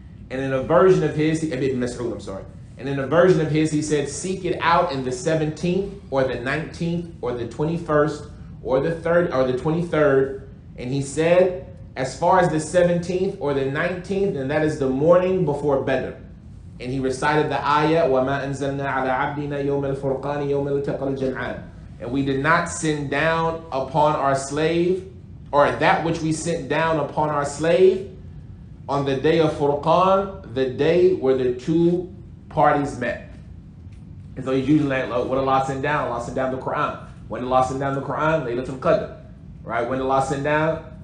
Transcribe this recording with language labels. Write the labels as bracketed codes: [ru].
[en] And in a version of his, Ibn Mas'ud, I'm sorry. And in a version of his, he said, seek it out in the 17th or the 19th or the 21st or the 3rd or the 23rd. And he said, as far as the 17th or the 19th, then that is the morning before Badr. And he recited the ayah, [ar] وَمَا أَنزَلْنَا عَلَىٰ عَبْدِنَا يَوْمَ الْفُرْقَانِ يَوْمَ الْتَقَى الْجَمْعَانِ. [en] And we did not send down upon our slave, or that which we sent down upon our slave, on the day of Furqan, the day where the two parties met. And so he's usually like, what did Allah send down? Allah sent down the Quran. When did Allah send down the Quran? Laylatul Qadr. Right? When did Allah send down?